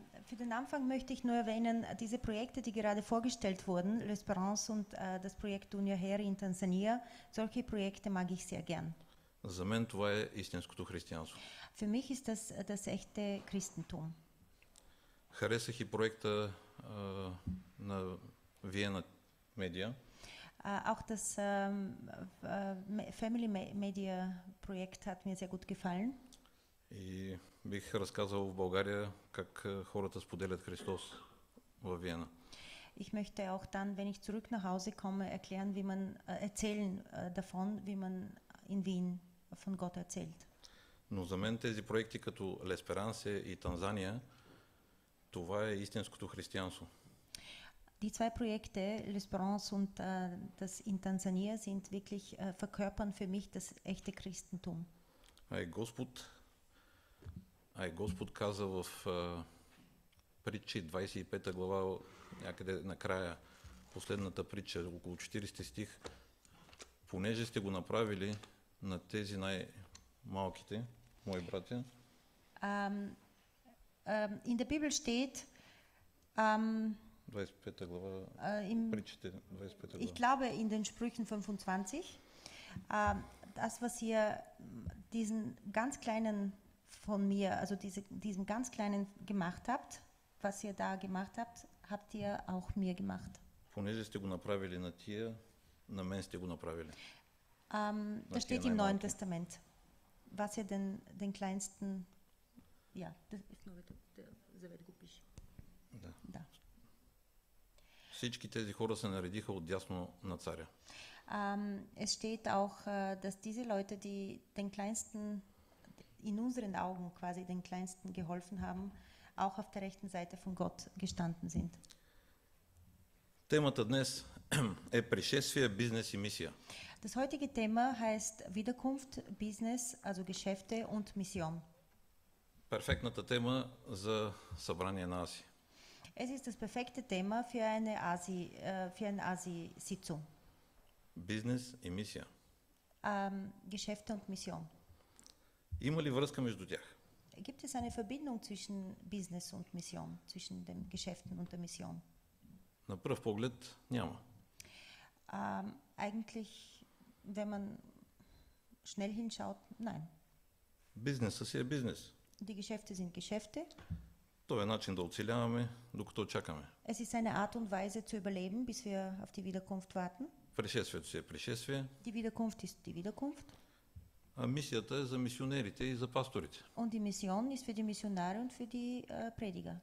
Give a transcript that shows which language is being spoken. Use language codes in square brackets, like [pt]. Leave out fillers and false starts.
[de] Für den Anfang möchte ich nur erwähnen, diese Projekte, die gerade vorgestellt wurden, Лесперанс und das Projekt Dunia Heri in Tanzania, solche Projekte mag ich sehr gern. [bg] За мен това е истинското християнство. [de] Für mich ist das das echte Christentum. [bg] Харесах и проекта на Виена Медиа. [de] Auch das Family Media Projekt hat mir sehr gut gefallen. [bg] И бих разказал в България как хората споделят Христос в Виена. [de] Ich möchte auch dann, wenn ich zurück nach Hause komme, erklären, wie man erzählen davon, wie man in Wien von Gott erzählt. [bg] Но за мен тези проекти като Лесперансе и Танзания, това е истинското християнство. [de] Die zwei Projekte, Лесперанс und das in Tanzania, sind wirklich verkörpern für mich das echte Christentum. [bg] Hey, Господ, Ай Господ каза в притчи 25 глава, някъде накрая, последната притча, около 40 стих. Понеже сте го направили на тези най-малките, мои братя. [de] In der Bibel steht, [bg] 25. Глава, притчите, 25. [de] Ich glaube in den Sprüchen 25, das was hier diesen ganz kleinen von mir, also diesen ganz kleinen gemacht habt, was ihr da gemacht habt, habt ihr auch mir gemacht. [bg] Понеже сте го направили на тия, на мен сте го направили. [de] Da steht im Neuen Testament, was ihr den kleinsten, ja, das ist nur der Zevet Gupisch. Da. [bg] Всички тези хора се наредиха от дясно на царя. [de] Es steht auch, dass diese Leute, die den kleinsten in unseren Augen quasi den kleinsten geholfen haben, auch auf der rechten Seite von Gott gestanden sind. [bg] Темата днес е пришествие, бизнес и мисия. [de] Das heutige Thema heißt Wiederkunft, Business, also Geschäfte und Mission. [bg] Перфектната тема за събрание на Азия. [de] Es ist das perfekte Thema für eine Asi, für ein Asi-Sitzung. [bg] Бизнес и мисия. [de] Geschäfte und Mission. [bg] Има ли връзка между тях? [de] Gibt es eine Verbindung zwischen Business und Mission, zwischen den Geschäften und der Mission? [bg] На пръв поглед няма. [de] Eigentlich, wenn man schnell hinschaut, nein. [bg] Бизнес си е бизнес. [de] Die Geschäfte sind Geschäfte. [bg] То е начин да оцеляваме, докато чакаме. [de] Es ist eine Art und Weise zu überleben, bis wir auf die Wiederkunft warten. [bg] Пришествието си е пришествие. [de] Die Wiederkunft ist die Wiederkunft. [bg] А мисията е за мисионерите и за пасторите. [de] Und die Mission ist für die Missionare und für die Prediger.